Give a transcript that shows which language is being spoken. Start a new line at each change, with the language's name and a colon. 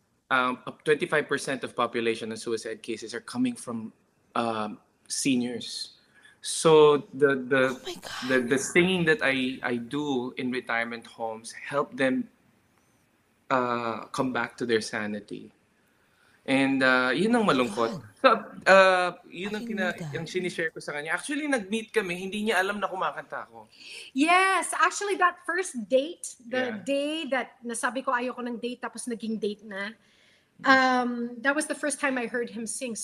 English: Up 25% of population of suicide cases are coming from seniors. So the singing that I do in retirement homes help them come back to their sanity.
Filipino: And yun ang malungkot. So, yun ang yung sinishare ko sa kanya. Actually, nag-meet kami. Hindi niya alam na kumakanta ako.
English: Yes. Actually, that first date, day that
Filipino: nasabi ko ayoko ng date tapos naging date na,
English: that was the first time I heard him sing.